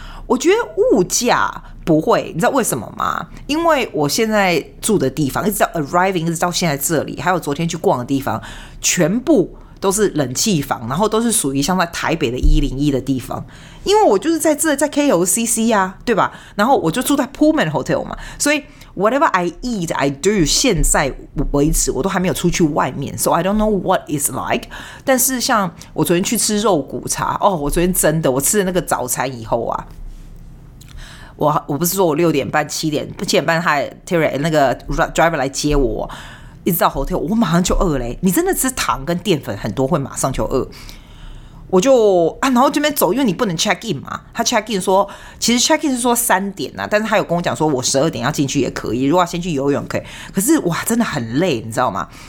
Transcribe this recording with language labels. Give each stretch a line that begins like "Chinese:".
Chinese: 我觉得物价不会，你知道为什么吗？因为我现在住的地方一直到 arriving 一直到现在这里，还有昨天去逛的地方全部都是冷气房，然后都是属于像在台北的101的地方，因为我就是在这在 KOCC 啊，对吧？然后我就住在 Pullman Hotel 嘛，所以
English: whatever I eat I do
Chinese: 现在为止我都还没有出去外面，
English: so I don't know what it's like。
Chinese: 但是像我昨天去吃肉骨茶我昨天真的我吃了那个早餐以后啊，我不是说我六点半七点半他 Terry 那个 driver 来接我一直到 hotel， 我马上就饿嘞。你真的吃糖跟淀粉很多会马上就饿，我就然后这边走，因为你不能 check in 嘛，他 check in 说其实 check in 是说三点啊，但是他有跟我讲说我十二点要进去也可以，如果要先去游泳可以，可是哇真的很累你知道吗？